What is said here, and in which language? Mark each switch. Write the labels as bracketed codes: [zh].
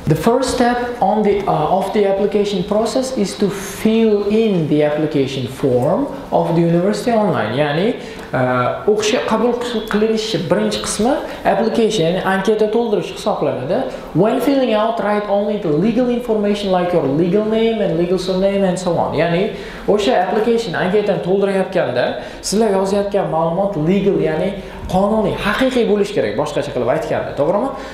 [en] The first step on the of the application process is to fill in the application form of the university online. [uz] Ya'ni o'qishga qabul qilinish birinchi qismi application, ya'ni anketa to'ldirish hisoblanadi. [en] When filling out, write only the legal information like your legal name and legal surname and so on. [uz] Ya'ni o'sha application anketani to'ldirayotganda sizlar yozayotgan ma'lumot legal, ya'ni qonuniy, haqiqiy bo'lishi kerak, boshqacha qilib aytganda, to'g'rimi?